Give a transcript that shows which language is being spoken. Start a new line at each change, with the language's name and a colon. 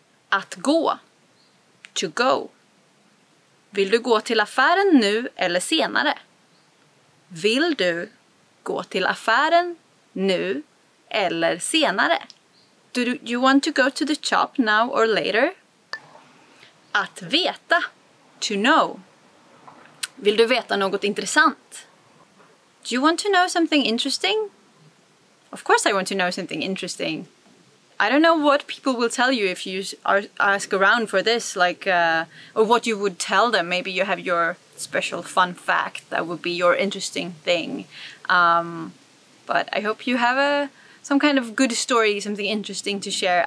Swedish: Att gå.
English: To go.
Swedish: Vill du gå till affären nu eller senare? Vill du gå till affären nu eller senare?
English: Do you want to go to the shop now or later?
Swedish: Att veta.
English: To know.
Swedish: Vill du veta något intressant?
English: Do you want to know something interesting? Of course I want to know something interesting. I don't know what people will tell you if you ask around for this, or what you would tell them. Maybe you have your special fun fact that would be your interesting thing. But I hope you have some kind of good story, something interesting to share.